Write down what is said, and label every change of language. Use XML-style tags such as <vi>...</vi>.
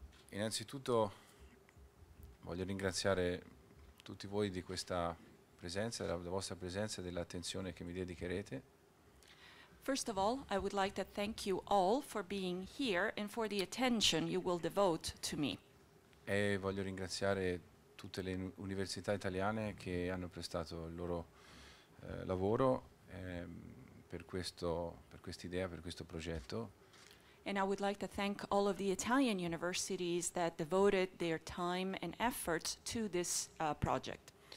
<it>Innanzitutto voglio ringraziare tutti voi di questa presenza, della vostra presenza e dell'attenzione che mi dedicherete.</it> <en>First of all, I would like to thank you all for being here and for the attention you will devote to me.</en> <it>E voglio ringraziare tutte le università italiane che hanno prestato il loro lavoro per quest'idea, per questo progetto.</it> <en>And I would like to thank all of the Italian universities that devoted their time and effort to this project.</en>